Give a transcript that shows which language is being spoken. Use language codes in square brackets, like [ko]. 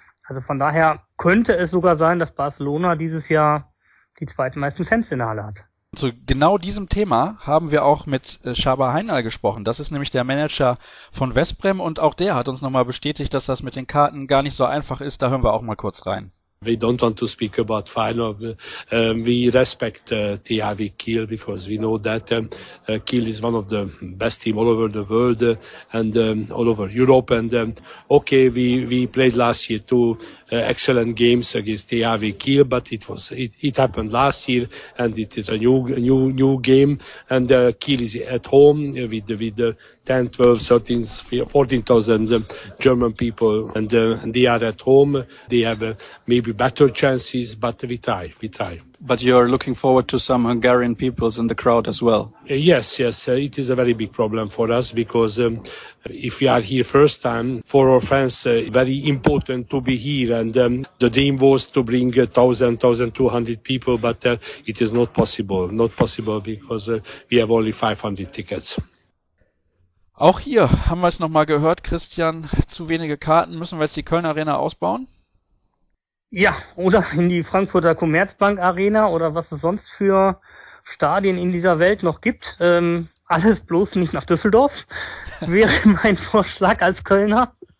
[de] Also von daher könnte es sogar sein, dass Barcelona dieses Jahr die zweitmeisten Fans in der Halle hat. Zu genau diesem Thema haben wir auch mit Shaba Heinal gesprochen. Das ist nämlich der Manager von West Brom und auch der hat uns nochmal bestätigt, dass das mit den Karten gar nicht so einfach ist. Da hören wir auch mal kurz rein. [en] We don't want to speak about final. We respect THW Kiel because we know that Kiel is one of the best team all over the world and all over Europe. And okay, we played last year two excellent games against THW Kiel, but it happened last year and it is a new game. And Kiel is at home with 10, 12, 13, 14,000 German people, and they are at home. They have maybe better chances, but we try. But you are looking forward to some Hungarian peoples in the crowd as well. Yes, it is a very big problem for us because if we are here first time, for our fans, very important to be here. And the dream was to bring 1,200 people, but it is not possible. Not possible because we have only 500 tickets. [de] Auch hier haben wir es nochmal gehört, Christian, zu wenige Karten. Müssen wir jetzt die Köln Arena ausbauen? Ja, oder in die Frankfurter Commerzbank Arena oder was es sonst für Stadien in dieser Welt noch gibt. Alles bloß nicht nach Düsseldorf, wäre mein Vorschlag als Kölner.